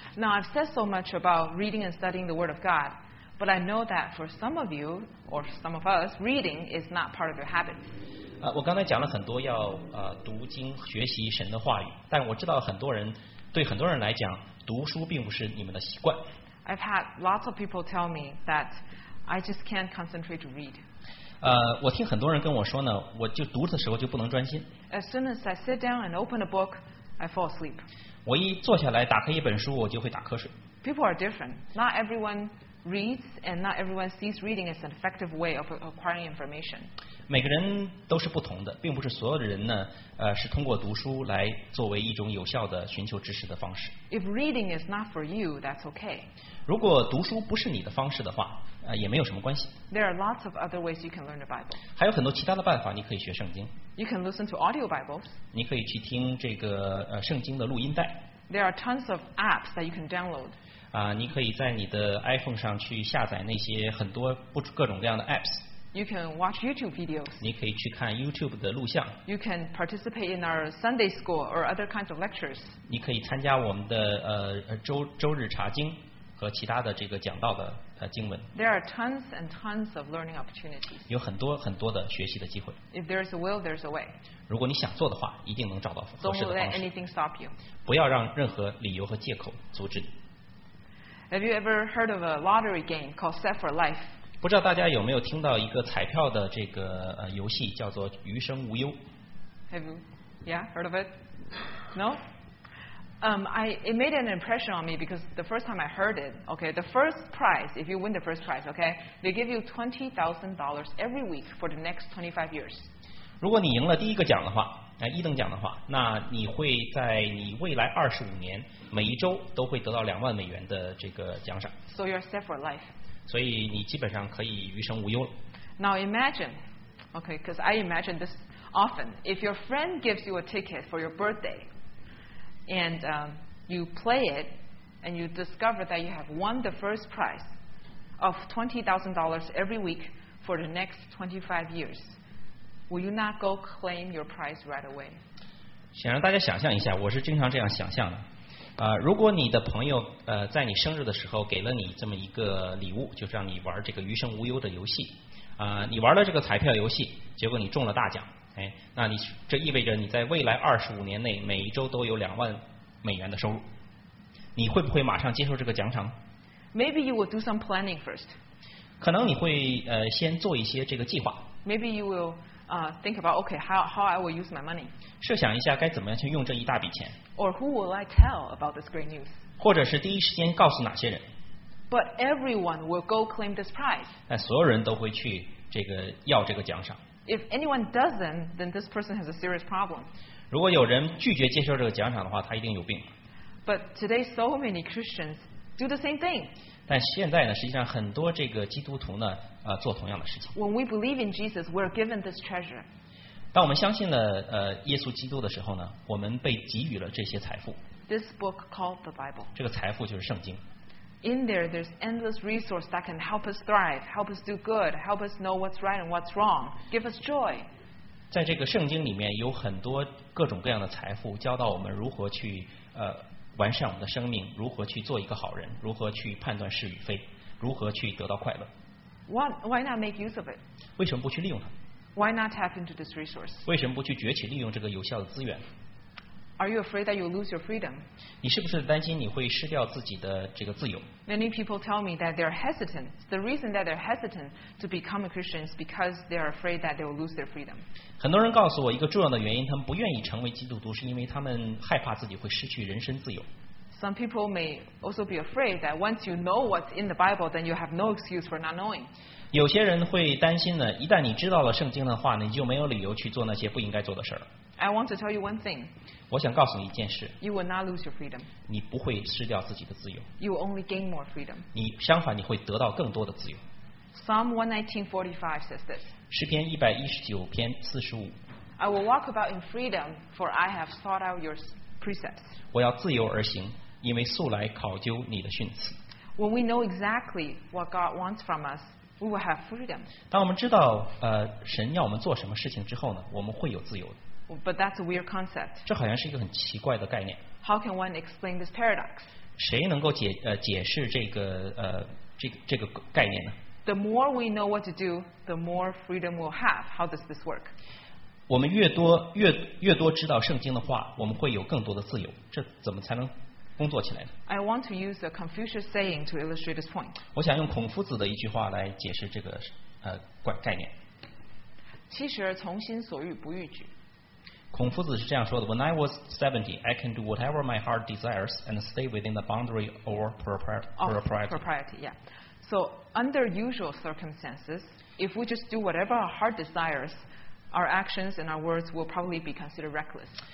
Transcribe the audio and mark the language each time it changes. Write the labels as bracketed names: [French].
[English] Now, I've said so much about reading and studying the Word of God, but I know that for some of you, or some of us, reading is not part of your habit. [Chinese] 我刚才讲了很多要读经学习神的话语，但我知道很多人，对很多人来讲，读书并不是你们的习惯。 [English] I've had lots of people tell me that I just can't concentrate to read. [Chinese] 我听很多人跟我说呢，我就读的时候就不能专心。 [English] As soon as I sit down and open a book, I fall asleep. [Chinese] 我一坐下来打开一本书，我就会打瞌睡。 [English] People are different. Not everyone reads and not everyone sees reading as an effective way of acquiring information. [Chinese] 每个人都是不同的，并不是所有的人呢，是通过读书来作为一种有效的寻求知识的方式。 [English] If reading is not for you, that's okay. [Chinese] 如果读书不是你的方式的话，也没有什么关系。 [English] There are lots of other ways you can learn the Bible. [Chinese] 还有很多其他的办法，你可以学圣经。 [English] You can listen to audio Bibles. [Chinese] 你可以去听这个圣经的录音带。 [English] There are tons of apps that you can download. [Chinese] 你可以在你的 iPhone 上去下载那些很多各种各样的 apps. [English] You can watch YouTube videos. [Chinese] 你可以去看 YouTube 的录像。 [English] You can participate in our Sunday school or other kinds of lectures. [Chinese] 你可以参加我们的周日查经和其他的这个讲道的经文。 [English] There are tons and tons of learning opportunities. [Chinese] 有很多很多的学习的机会。 [English] If there is a will, there is a way. [Chinese] 如果你想做的话，一定能找到合适的方式。 [English] Don't let anything stop you. [Chinese] 不要让任何理由和借口阻止你。 [English] Have you ever heard of a lottery game called Set for Life? [Chinese] 不知道大家有没有听到一个彩票的这个游戏叫做余生无忧。 [English] Have you? Yeah, heard of it? No? It made an impression on me because the first time I heard it, okay, the first prize, if you win the first prize, okay, they give you $20,000 every week for the next 25 years. [Chinese] 如果你赢了第一个奖的话，一等奖的话，那你会在你未来25年每一周都会得到$20,000的这个奖赏。 [English] So you're set for life. [Chinese] 所以你基本上可以余生无忧了。 [English] Now imagine, okay, because I imagine this often, if your friend gives you a ticket for your birthday, and you play it, and you discover that you have won the first prize of $20,000 every week for the next 25 years. Will you not go claim your prize right away? [Chinese] 想让大家想象一下，我是经常这样想象的。如果你的朋友在你生日的时候给了你这么一个礼物，就是让你玩这个余生无忧的游戏。你玩了这个彩票游戏，结果你中了大奖。那你这意味着你在未来25年内每一周都有$20,000的收入。你会不会马上接受这个奖赏 [English] ？Maybe you will do some planning first. [Chinese] 可能你会先做一些这个计划。 [English] Maybe you will. Think about okay, how I will use my money. [Chinese] 设想一下该怎么样去用这一大笔钱。 [English] Or who will I tell about this great news? [Chinese] 或者是第一时间告诉哪些人。 [English] But everyone will go claim this prize. [Chinese] 但所有人都会去这个要这个奖赏。 [English] If anyone doesn't, then this person has a serious problem. [Chinese] 如果有人拒绝接受这个奖赏的话，他一定有病。 [English] But today, so many Christians do the same thing. [Chinese] 但现在呢，实际上很多这个基督徒呢。做同样的事情。 [English] When we believe in Jesus, we are given this treasure. [Chinese] 当我们相信了耶稣基督的时候呢，我们被给予了这些财富。 [English] This book called the Bible. [Chinese] 这个财富就是圣经。 [English] In there, there's endless resource that can help us thrive, help us do good, help us know what's right and what's wrong, give us joy. [Chinese] 在这个圣经里面有很多各种各样的财富，教导我们如何去完善我们的生命，如何去做一个好人，如何去判断是与非，如何去得到快乐。 [English] Why not make use of it? [Chinese] 为什么不去利用它？ [English] Why not tap into this resource? [Chinese] 为什么不去崛起利用这个有效的资源？ [English] Are you afraid that you lose your freedom? [Chinese] 你是不是担心你会失掉自己的这个自由？ [English] Many people tell me that they're hesitant. The reason that they're hesitant to become a Christian is because they're afraid that they'll lose their freedom. [Chinese] 很多人告诉我一个重要的原因，他们不愿意成为基督徒，是因为他们害怕自己会失去人身自由。 [English] Some people may also be afraid that once you know what's in the Bible, then you have no excuse for not knowing. [Chinese] 有些人会担心呢，一旦你知道了圣经的话呢，你就没有理由去做那些不应该做的事儿了。 [English] I want to tell you one thing. [Chinese] 我想告诉你一件事。 [English] You will not lose your freedom. [Chinese] 你不会失掉自己的自由。 [English] You will only gain more freedom. [Chinese] 你相反，你会得到更多的自由。 [English] Psalm 119:45 says this. [Chinese] 诗篇119:45。 [English] I will walk about in freedom, for I have sought out your precepts. [Chinese] 我要自由而行。因为素来考究你的训词。 [English] When we know exactly what God wants from us, we will have freedom. [Chinese] 当我们知道神要我们做什么事情之后呢，我们会有自由的。 [English] But that's a weird concept. [Chinese] 这好像是一个很奇怪的概念。 [English] How can one explain this paradox? [Chinese] 谁能够解释这个概念呢 [English] ？The more we know what to do, the more freedom we'll have. How does this work? [Chinese] 我们越多知道圣经的话，我们会有更多的自由。这怎么才能？工作起来。 [English] I want to use a Confucius saying to illustrate this point. [Chinese] 我想用孔夫子的一句话来解释这个概念。七十而从心所欲不逾矩。孔夫子是这样说的 [English] When I was 70 I can do whatever my heart desires and stay within the boundary or propriety yeah. So under usual circumstances if we just do whatever our heart desires our actions and our words will probably be considered reckless